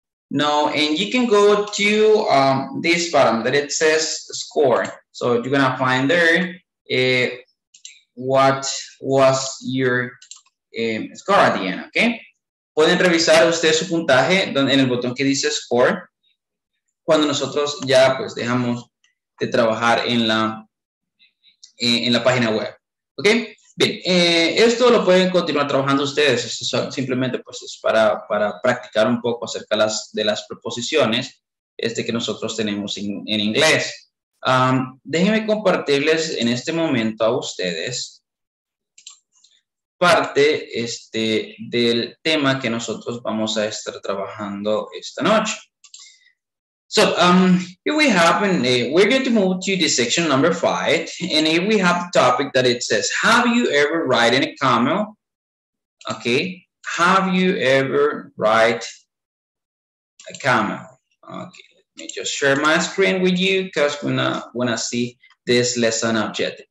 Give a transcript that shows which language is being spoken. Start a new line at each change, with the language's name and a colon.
English: No, and you can go to this button that it says score. So you're gonna find there what was your score at the end, okay?
Spanish: Pueden revisar ustedes su puntaje en el botón que dice score cuando nosotros ya pues dejamos de trabajar en la página web, okay? Bien, esto lo pueden continuar trabajando ustedes, simplemente pues es para practicar un poco acerca de las proposiciones que nosotros tenemos en inglés. Déjenme compartirles en este momento a ustedes parte del tema que nosotros vamos a estar trabajando esta noche.
English: So, here we have, we're going to move to the section number 5, and here we have the topic that it says, have you ever ridden a camel? Okay, have you ever ride a camel? Okay, let me just share my screen with you, because we're not going to see this lesson objective.